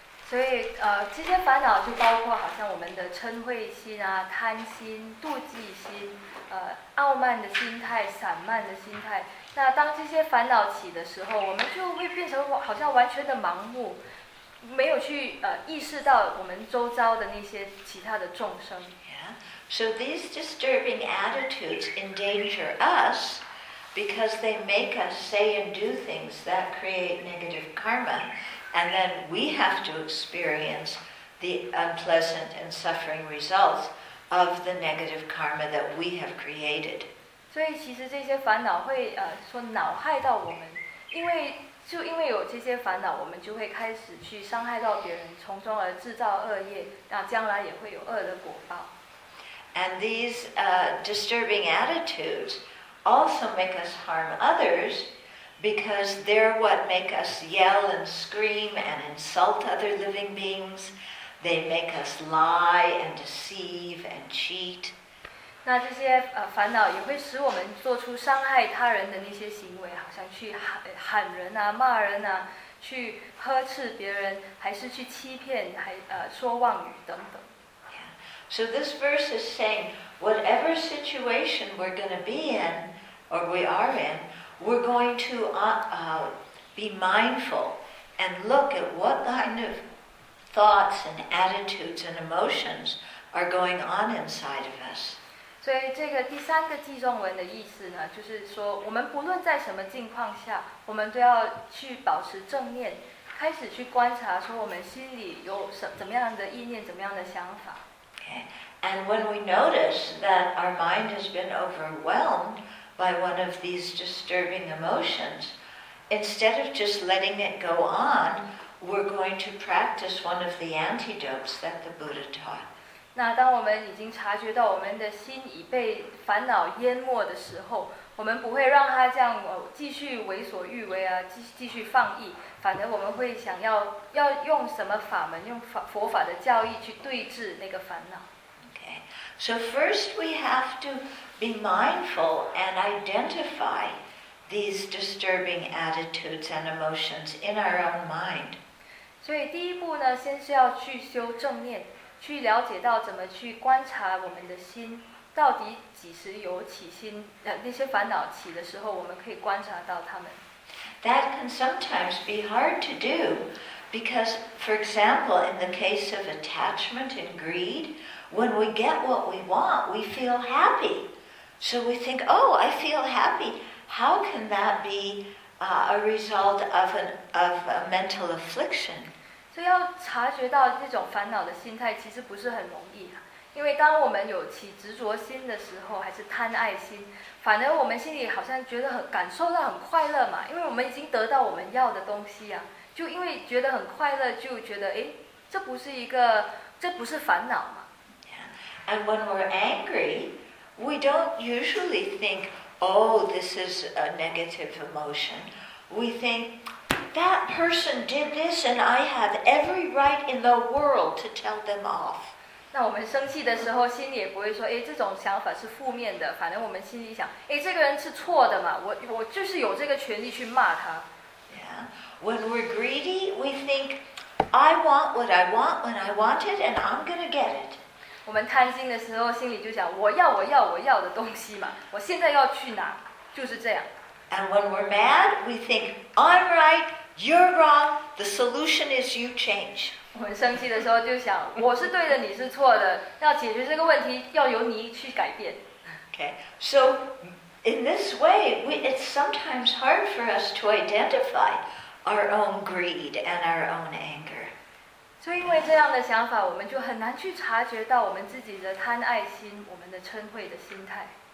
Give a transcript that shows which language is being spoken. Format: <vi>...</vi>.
<zh>所以这些烦恼就包括好像我们的嗔恚心啊、贪心、妒忌心、傲慢的心态、散漫的心态。那当这些烦恼起的时候，我们就会变成好像完全的盲目，没有去意识到我们周遭的那些其他的众生。</zh> <en>So these disturbing attitudes endanger us because they make us say and do things that create negative karma, and then we have to experience the unpleasant and suffering results of the negative karma that we have created.</en> <zh>所以其实这些烦恼会说恼害到我们，因为就因为有这些烦恼，我们就会开始去伤害到别人，从中而制造恶业，那将来也会有恶的果报。</zh> <en>And these disturbing attitudes also make us harm others because they're what make us yell and scream and insult other living beings. They make us lie and deceive and cheat.</en> <zh>那这些烦恼也会使我们做出伤害他人的那些行为，好像去喊人啊、骂人啊、去呵斥别人，还是去欺骗，还说妄语等等。</zh> <en>So this verse is saying, whatever situation we're going to be in, or we are in, we're going to be mindful and look at what kind of thoughts and attitudes and emotions are going on inside of us.</en> <zh>所以这个第三个偈颂文的意思呢，就是说我们不论在什么境况下，我们都要去保持正念，开始去观察说我们心里有怎么样的意念，怎么样的想法。</zh> <en>And when we notice that our mind has been overwhelmed by one of these disturbing emotions, instead of just letting it go on, we're going to practice one of the antidotes that the Buddha taught.</en> <zh>那当我们已经察觉到我们的心已被烦恼淹没的时候，我们不会让它这样继续为所欲为啊，继续放逸，反而我们会想要用什么法门，用佛法的教义去对治那个烦恼。</zh> <en>Okay, so first we have to be mindful and identify these disturbing attitudes and emotions in our own mind.</en> <zh>所以第一步呢，先是要去修正念，去了解到怎么去观察我们的心。到底几时有起心，那些烦恼起的时候，我们可以观察到它们。</zh> <en>That can sometimes be hard to do, because, for example, in the case of attachment and greed, when we get what we want, we feel happy. So we think, oh, I feel happy. How can that be a result of a mental affliction?</en> <zh>所以要察觉到这种烦恼的心态，其实不是很容易啊。因为当我们有起执着心的时候，还是贪爱心，反而我们心里好像觉得很感受到很快乐嘛，因为我们已经得到我们要的东西啊，就因为觉得很快乐，就觉得哎，这不是烦恼嘛。</zh> <en>And when we're angry, we don't usually think, oh, this is a negative emotion. We think that person did this, and I have every right in the world to tell them off.</en> <zh>那我们生气的时候，心里也不会说，哎，这种想法是负面的。反正我们心里想，哎，这个人是错的嘛，我就是有这个权利去骂他。</zh> <en>Yeah. When we're greedy, we think, I want what I want when I want it, and I'm gonna get it.</en> <zh>我们贪心的时候，心里就想，我要的东西嘛，我现在要去拿，就是这样。</zh> <en>And when we're mad, we think, I'm right, you're wrong, the solution is you change.</en> <zh>我们生气的时候就想，我是对的，你是错的，要解决这个问题，要由你去改变。</zh> <en>Okay, so in this way, it's sometimes hard for us to identify our own greed and our own anger.</en> <zh>所以因为这样的想法，我们就很难去察觉到我们自己的贪爱心，我们的嗔恚的心态。</zh>